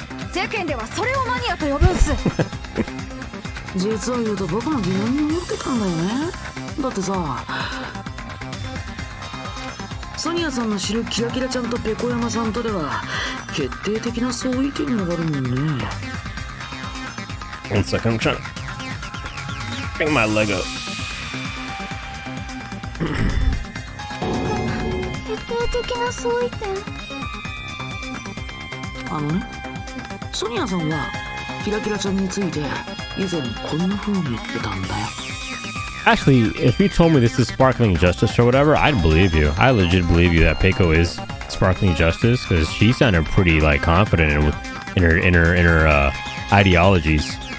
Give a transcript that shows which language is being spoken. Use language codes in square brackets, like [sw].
[ja] 世間ではそれをマニアと呼ぶんす。実を言うと僕も疑問に思ってたんだよね。だってさ、ソニアさんの知るキラキラちゃんとペコ山さんとでは決定的な相違点があるもんね。 [en] One second, I'm trying to bring my leg up. [ja] 決定的な相違点。あのね、ソニアさんはキラキラちゃんについて以前こんな風に言ってたんだよ。 [en] Actually, if you told me this is Sparkling Justice or whatever, I'd believe you. I legit believe you that Peiko is Sparkling Justice because she sounded pretty like confident in her ideologies.